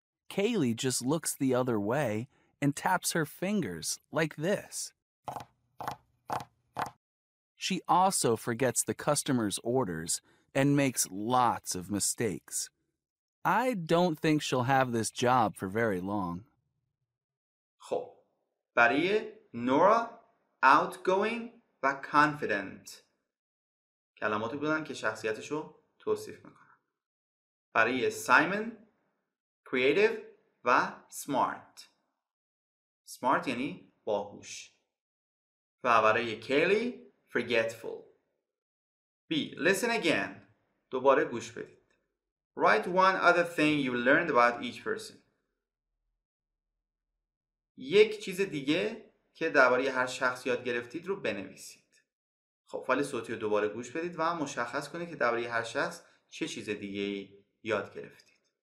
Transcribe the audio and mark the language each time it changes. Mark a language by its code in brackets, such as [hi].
[en] Kaylee just looks the other way and taps her fingers like this. She also forgets the customer's orders and makes lots of mistakes. I don't think she'll have this job for very long. [fa] خب، برای نورا، outgoing و confident کلماتی بودن که شخصیتش رو توصیف میکنن. برای سایمون، creative و smart. Smart یعنی باهوش. و برای کیلی، forgetful. B. [en] Listen again. [fa] دوباره گوش بدید. [en] Write one other thing you learned about each person. [fa] یک چیز دیگه که درباره هر شخص یاد گرفتید رو بنویسید. خب فایل صوتی رو دوباره گوش بدید و مشخص کنید که درباره هر شخص چه چیز دیگه‌ای یاد گرفتید.